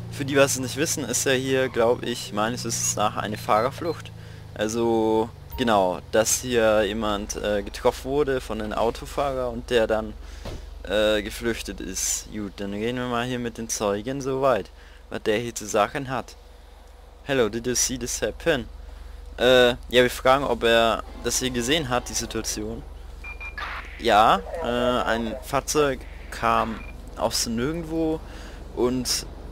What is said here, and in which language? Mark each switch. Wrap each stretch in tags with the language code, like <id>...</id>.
<de>Für die, was es nicht wissen, ist ja hier, glaube ich, meines Wissens nach eine Fahrerflucht. Also, genau, dass hier jemand getroffen wurde von einem Autofahrer und der dann geflüchtet ist. Gut, dann gehen wir mal hier mit den Zeugen so weit, was der hier zu sagen hat.</de> <en>Hello, did you see this happen?</en> <de>Ja, wir fragen, ob er das hier gesehen hat, die Situation. Ja, ein Fahrzeug kam aus nirgendwo und...</de>